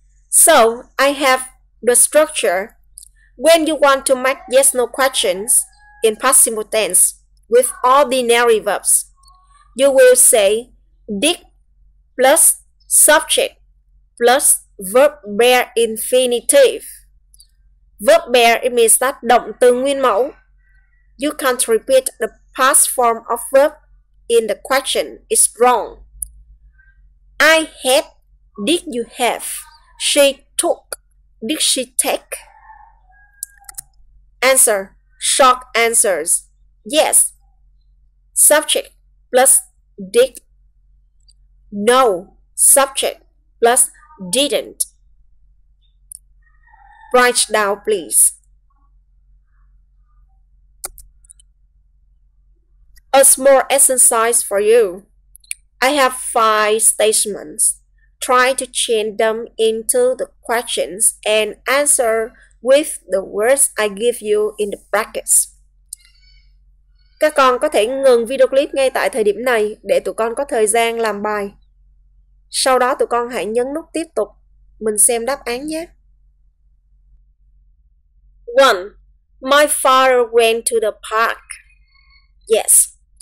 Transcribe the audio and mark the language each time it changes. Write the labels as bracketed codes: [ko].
[en] So, I have the structure. When you want to make yes no questions in past simple tense with ordinary verbs, you will say did plus subject plus verb bare infinitive. Verb bare, it means that [vi] động từ nguyên mẫu. [en] You can't repeat the past form of verb in the question. It's wrong. I had, did you have? She took, did she take? Answer, short answers. Yes, subject plus did. No, subject plus didn't. Write down, please. A small exercise for you. I have 5 statements. Try to change them into the questions and answer with the words I give you in the brackets. [vi] Các con có thể ngừng video clip ngay tại thời điểm này để tụi con có thời gian làm bài. Sau đó tụi con hãy nhấn nút tiếp tục. Mình xem đáp án nhé. [en] 1. My father went to the park. Yes.